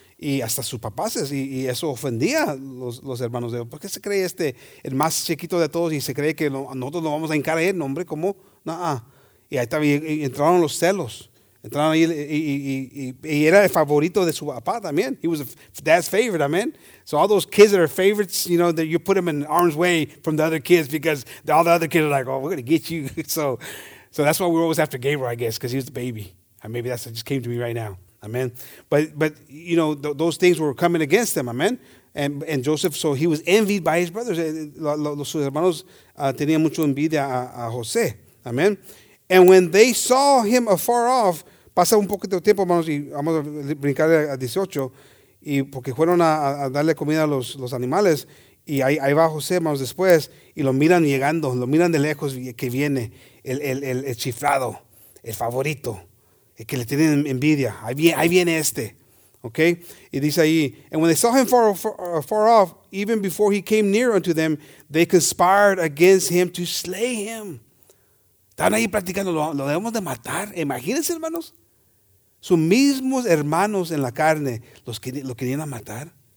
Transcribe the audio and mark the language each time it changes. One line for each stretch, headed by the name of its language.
Spanish: Y hasta sus papás, y eso ofendía los hermanos de él. ¿Por qué se cree este el más chiquito de todos y se cree que nosotros lo vamos a hincar a él? No, hombre, ¿cómo? Nada. Y ahí estaba, y entraron los celos. Entraron ahí y era el favorito de su papá también.
English: He was dad's favorite, amen. So all those kids that are favorites, you know, that you put them in arm's way from the other kids because all the other kids are like, oh, we're going to get you. So that's why we're always after Gabriel, I guess, because he was the baby. And maybe that just came to me right now. Amen. But you know, those things were coming against them. Amen. And Joseph, so he was envied by his brothers.
Spanish: Los hermanos tenían mucho envidia a José. Amen.
English: And when they saw him afar off,
Spanish: pasa un poquito de tiempo, hermanos, y vamos a brincar a 18, y porque fueron a darle comida a los animales, y ahí va José, hermanos, después, y lo miran llegando, lo miran de lejos que viene, el chiflado, el favorito. Que le tienen envidia. Ahí viene este. Okay? Y dice ahí,
English: and when they saw him far off, even before he came near unto them, they conspired against him to slay him.
Spanish: Están ahí platicando, lo debemos de matar. Imagínense, hermanos. Sus mismos hermanos en la carne, los que lo querían matar.